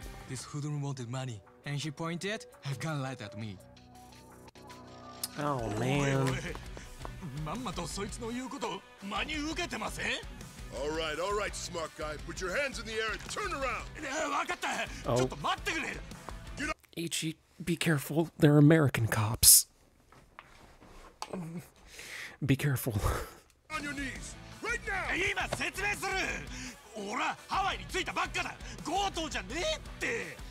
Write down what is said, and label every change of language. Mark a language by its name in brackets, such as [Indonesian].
[English] This hoodlum wanted money, and he pointed a gun right at me. Oh, man. [Japanese] まんまとそいつの言うこと、真に受けてません？ [English] Alright, alright, smart guy. Put your hands in the air and turn around! [Japanese] わかった！ちょっと待ってくれ！ [English] Get up! Ichi, be careful. They're American cops. Be careful. On your knees, right now! [Japanese] 今説明する！俺はハワイに着いたばっかだ！強盗じゃねえって！